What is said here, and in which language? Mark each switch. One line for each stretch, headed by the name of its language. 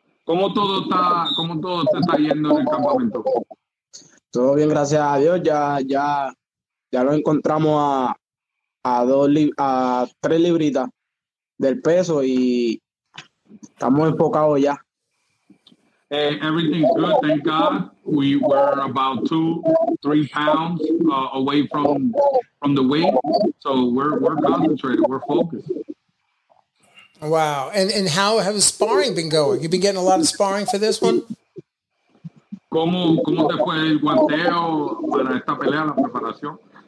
Spanish: ¿Cómo todo se está yendo en el campamento? Todo bien, gracias a Dios. Ya lo encontramos a tres libritas del peso y estamos enfocados ya.
English: Hey, everything's good, thank God. We were about 2-3 pounds away from the weight. So we're concentrated, we're focused. Wow. And how has sparring been going? You've been getting a lot of sparring for this one?
Spanish: ¿Cómo te fue el guanteo para esta pelea, la preparación?